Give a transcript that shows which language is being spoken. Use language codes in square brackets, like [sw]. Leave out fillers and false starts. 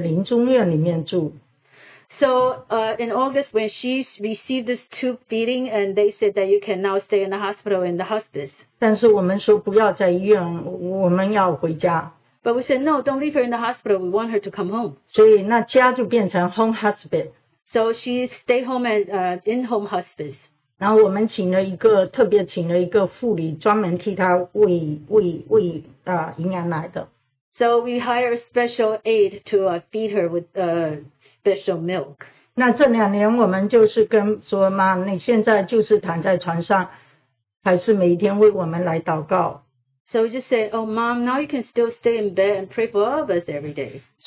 [zh] 所以她八月做了胃管以后，她说，哦，你可以选择在医院的临终院里面住。 [en] So in August, when she received this tube feeding, and they said that you can now stay in the hospital in the hospice. [zh] 但是我们说不要在医院，我们要回家。 [en] But we said, no, don't leave her in the hospital. We want her to come home. [zh] 所以那家就变成 [en] home hospice. So she stayed home at in-home hospice. [zh] 然后我们请了一个特别请了一个护理专门替她喂营养奶的。 [en] So we hired a special aide to feed her with special milk. [zh] 那这两年我们就是跟说妈，你现在就是躺在床上，还是每天为我们来祷告。 [en] So we just said, oh mom, now you can still stay in bed and pray for all of us every day.